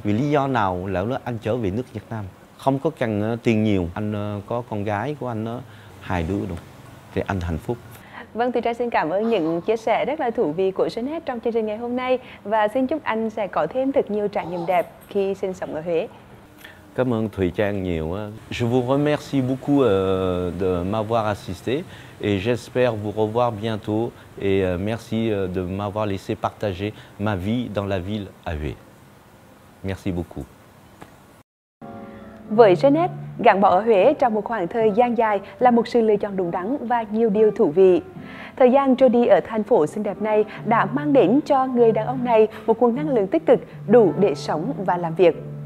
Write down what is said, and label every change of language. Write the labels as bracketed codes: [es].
[vi] Vì lý do nào là anh trở về nước Việt Nam không có cần tiền nhiều. Anh có con gái của anh, hai đứa đúng, thì anh hạnh phúc. Vâng, thì Trang xin cảm ơn những chia sẻ rất là thú vị của Jeanette trong chương trình ngày hôm nay. Và xin chúc anh sẽ có thêm thật nhiều trải nghiệm đẹp khi sinh sống ở Huế. Cảm ơn Thùy Trang nhiều. [fr] Je vous remercie beaucoup de m'avoir assisté. Et j'espère vous revoir bientôt. Et merci de m'avoir laissé partager ma vie dans la ville à Huế. Merci beaucoup. [vi] Với Jeanette, gắn bó ở Huế trong một khoảng thời gian dài là một sự lựa chọn đúng đắn và nhiều điều thú vị. Thời gian trôi đi ở thành phố xinh đẹp này đã mang đến cho người đàn ông này một nguồn năng lượng tích cực đủ để sống và làm việc.